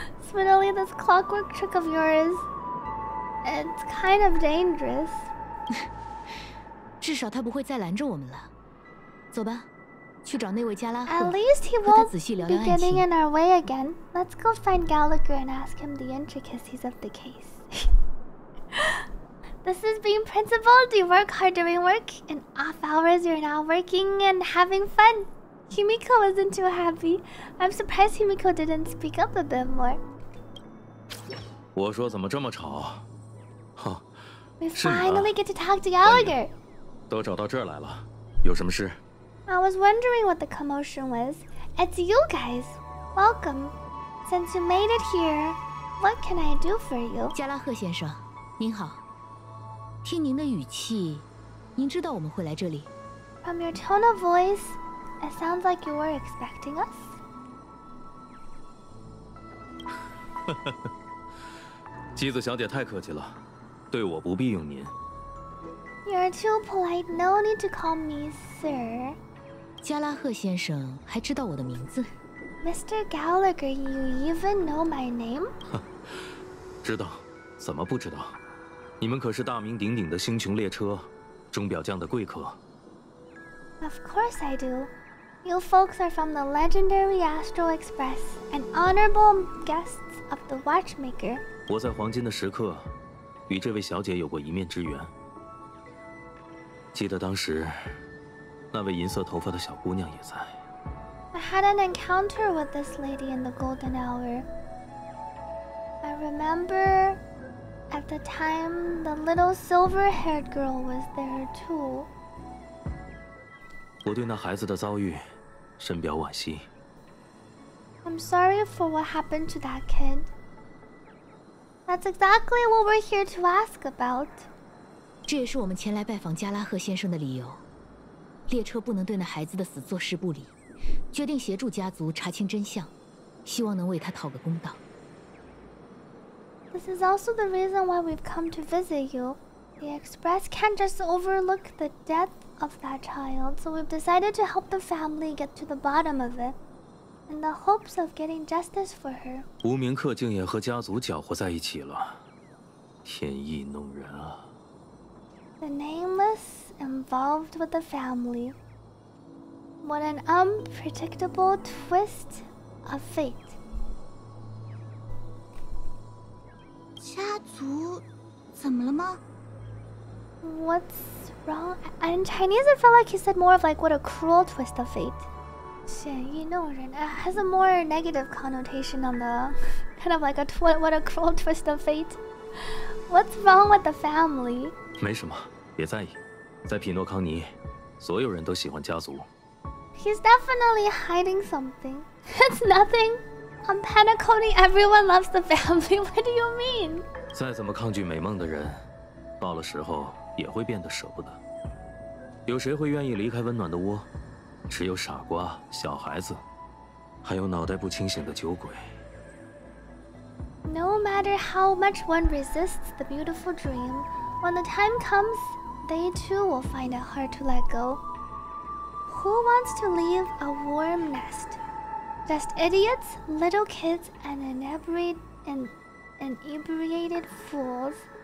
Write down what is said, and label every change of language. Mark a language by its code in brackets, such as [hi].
[en] Smiddly, this clockwork trick of yours, it's kind of dangerous. [zh] 至少他不会再拦着我们了。走吧，去找那位加拉赫。 [en] At least he won't be getting in our way again. Let's go find Gallagher and ask him the intricacies of the case. This is being principled. Do you work hard during work? In off hours, you're now working and having fun. Himiko isn't too happy. I'm surprised Himiko didn't speak up a bit more. [zh] 我说怎么这么吵？哼，是你吧？ [en] Get to talk to Gallagher. [zh] 都找到这儿来了，有什么事？ [en] I was wondering what the commotion was. It's you guys. Welcome. Since you made it here, what can I do for you? [zh] 加拉赫先生，您好。听您的语气，您知道我们会来这里。 [en] From your tone of voice, it sounds like you were expecting us. [zh] 姬子小姐太客气了，对我不必用您。 [en] You're too polite. No need to call me sir. [zh] 加拉赫先生还知道我的名字。 [en] Mr. Gallagher, you even know my name? [zh] 知道，怎么不知道？你们可是大名鼎鼎的星穹列车，钟表匠的贵客。 [en] Of course I do. You folks are from the legendary Astro Express and honorable guests of the Watchmaker. [zh] 我在黄金的时刻与这位小姐有过一面之缘。记得当时，那位银色头发的小姑娘也在。 [en] I had an encounter with this lady in the golden hour. I remember at the time the little silver-haired girl was there too. [zh] 我对那孩子的遭遇深表惋惜。 [en] I'm sorry for what happened to that kid. That's exactly what we're here to ask about. [zh] 这也是我们前来拜访加拉赫先生的理由。列车不能对那孩子的死坐视不理，决定协助家族查清真相，希望能为他讨个公道。 [en] This is also the reason why we've come to visit you. The express can't just overlook the death of that child, so we've decided to help the family get to the bottom of it, in the hopes of getting justice for her. [zh] 无名客竟也和家族搅和在一起了，天意弄人啊。 [en] The nameless involved with the family. What an unpredictable twist of fate. [zh] 家族怎么了吗？ [en] What's wrong? In Chinese, I felt like he said more of like what a cruel twist of fate. [zh] 显意弄人 [en] It has a more negative connotation on the kind of like a what a cruel twist of fate. What's wrong with the family? [zh] 没什么。别在意，在匹诺康尼，所有人都喜欢家族。 [en] He's definitely hiding something. It's nothing. On Panacone, everyone loves the family. What do you mean? [zh] 再怎么抗拒美梦的人，到了时候也会变得舍不得。有谁会愿意离开温暖的窝？只有傻瓜、小孩子，还有脑袋不清醒的酒鬼。 [en] No matter how much one resists the beautiful dream, when the time comes. They too will find it hard to let go. Who wants to leave a warm nest? Just idiots, little kids, and inebriated fools.